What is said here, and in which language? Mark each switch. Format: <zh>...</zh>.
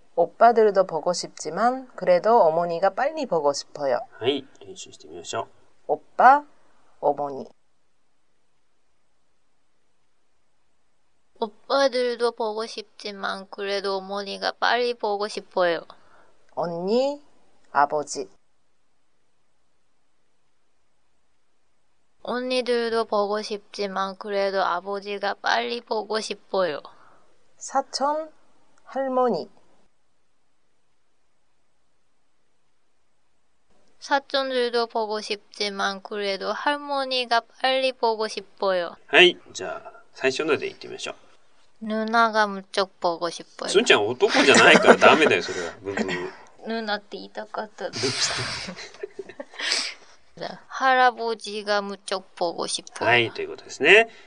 <ko>오빠들도보고싶지만그래도어머니가빨리보고싶어요</ko> <ja>はい練習してみましょう</ja> <ko>오빠어머니 오빠들도보고싶지만그래도어머니가빨리보고싶어요 언니아버지 언니들도보고싶지만그래도아버지가빨리보고싶어요 사촌할머니 사촌들도보고싶지만그래도할머니가빨리보고싶어요</ko> <ja>はい、じゃあ最初ので行ってみましょう。</ja> <ko>누나가무척보고싶어요</ko> <ja>순ちゃん男じゃないからダメだよそれは。ブブブ 누나って言いたかった</ja> <ko>할아버지가무척보고싶어</ko> <ja>はい、ということですね。</ja>